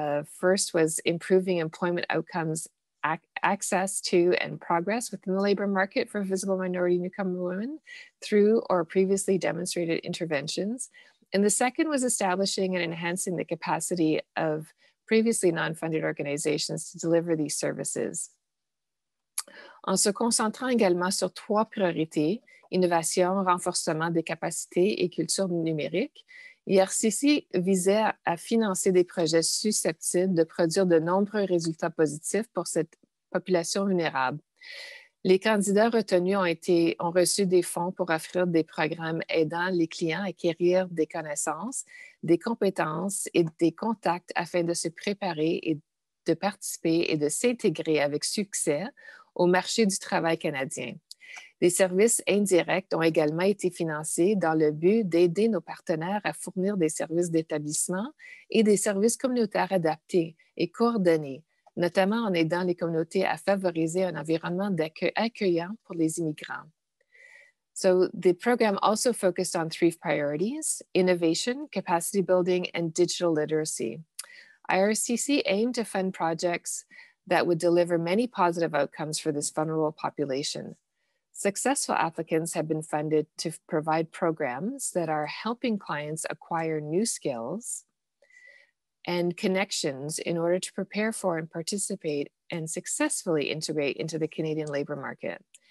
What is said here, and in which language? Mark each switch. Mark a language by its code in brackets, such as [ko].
[en] First was improving employment outcomes, access to and progress within the labor market for visible minority newcomer women through or previously demonstrated interventions. And the second was establishing and enhancing the capacity of previously non-funded organizations to deliver these services. [fr] En se concentrant également sur trois priorités, innovation, renforcement des capacités et culture numérique, IRCC visait à financer des projets susceptibles de produire de nombreux résultats positifs pour cette population vulnérable. Les candidats retenus ont reçu des fonds pour offrir des programmes aidant les clients à acquérir des connaissances, des compétences et des contacts afin de se préparer et de participer et de s'intégrer avec succès au marché du travail canadien. Des services indirects ont également été financés dans le but d'aider nos partenaires à fournir des services d'établissement et des services communautaires adaptés et coordonnés, notamment en aidant les communautés à favoriser un environnement d'accueil accueillant pour les immigrants. [en] So the program also focused on three priorities: innovation, capacity building, and digital literacy. IRCC aimed to fund projects that would deliver many positive outcomes for this vulnerable population. Successful applicants have been funded to provide programs that are helping clients acquire new skills and connections in order to prepare for and participate and successfully integrate into the Canadian labor market.